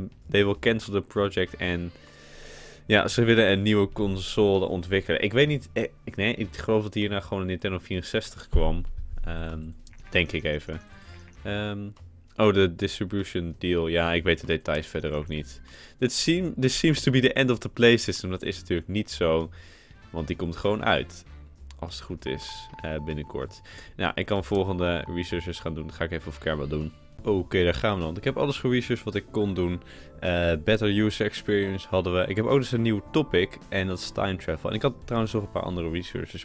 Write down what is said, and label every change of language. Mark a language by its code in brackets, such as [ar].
[en] They will cancel the project [nl] en ja, ze willen een nieuwe console ontwikkelen. Ik weet niet, ik geloof dat hierna gewoon een Nintendo 64 kwam. Denk ik even. De distribution deal. Ja, ik weet de details verder ook niet. [en] This seems to be the end of the Play System. [nl] Dat is natuurlijk niet zo. Want die komt gewoon uit. Als het goed is. Binnenkort. Nou, ik kan volgende researchers gaan doen. Dat ga ik even of ik er wat doen. Oké, daar gaan we dan. Ik heb alles geresearched wat ik kon doen. [en] Better user experience [nl] hadden we. Ik heb ook dus een nieuw topic en dat is time travel. En ik had trouwens nog een paar andere researches.